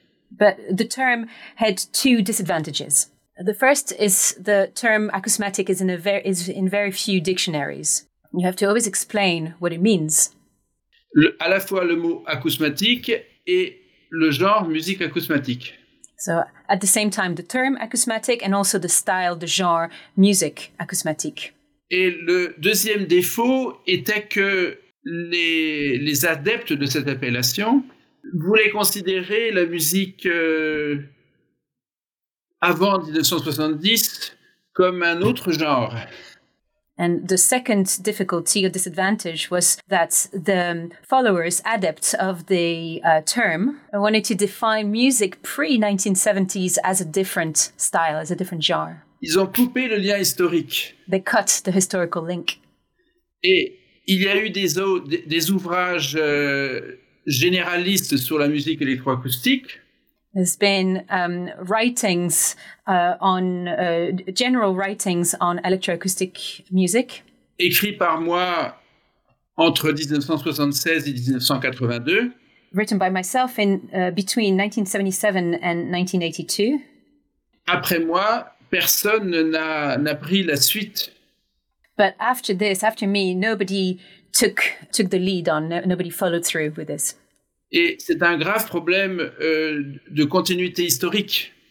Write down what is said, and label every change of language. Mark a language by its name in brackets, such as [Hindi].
[English] But the term had two disadvantages. The first is the term acousmatic is in very few dictionaries. You have to always explain what it means. [French] À la fois le mot acousmatique et le genre musique acousmatique. [English] So at the same time, the term acousmatic and also the style, the genre music acousmatic. [French] Et le deuxième défaut était que les adeptes de cette appellation voulaient considérer la musique avant 1970 comme un autre genre. [English] And the second difficulty or disadvantage was that the followers, adepts of the term, wanted to define music pre-1970s as a different style, as a different genre. [French] Ils ont coupé le lien historique. [English] They cut the historical link. [French] Et il y a eu des ouvrages généralistes sur la musique électroacoustique. [English] There's been writings on general writings on electroacoustic music. [French] Écrit par moi entre 1976 et 1982. [English] Written by myself in between 1977 and 1982. [French] Après moi, personne n'a pris la suite. [English] But after this, after me, nobody took the lead on. Nobody followed through with this. [French] Et c'est un grave problème de continuité historique.